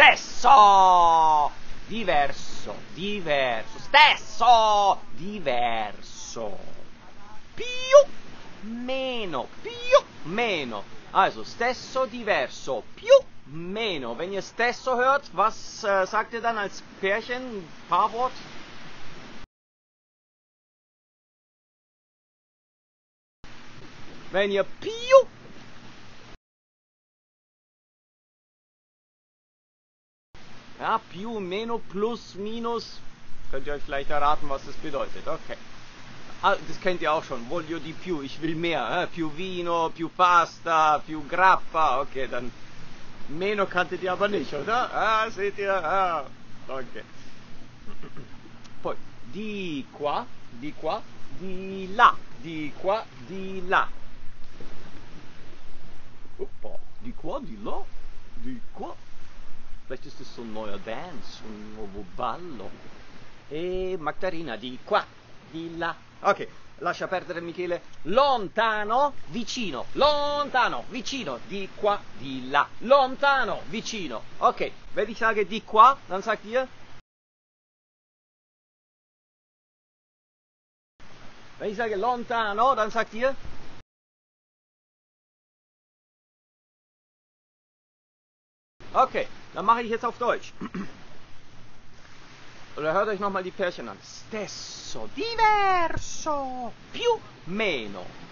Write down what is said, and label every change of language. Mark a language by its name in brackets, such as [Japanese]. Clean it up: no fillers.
[Italian] Stesso, diverso, diverso, stesso, diverso, più, meno, also stesso, diverso, più, meno. [German] Wenn ihr stesso hört, was sagt ihr dann als Pärchen, Paarwort? Wenn ihr più Ja, più, meno, plus, minus. Könnt ihr euch vielleicht erraten, was das bedeutet? Okay. Ah, das kennt ihr auch schon. [Italian] Voglio di più, [German] ich will mehr. [Italian] Più vino, più pasta, più grappa. [German] Okay, dann. Meno kanntet ihr aber nicht, oder? [Italian] Ah, [German] seht ihr? [Italian] Ah, okay. Poi, di qua, di qua, di là. Di qua, di là. Uppa, di qua, di là, di qua. [German] Vielleicht ist es so ein neuer Dance, ein [Italian] nuovo ballo. E Magdalena, di qua, di là. Okay, lascia perdere Michele. Lontano, vicino. Lontano, vicino. Di qua, di là. Lontano, vicino. [German] Ok, wenn ich sage di qua, dann sagt ihr? Wenn ich sage lontano, dann sagt ihr? Okay. Dann mache ich jetzt auf Deutsch. Oder hört euch nochmal die Pärchen an. [Italian] Stesso, diverso, più, meno.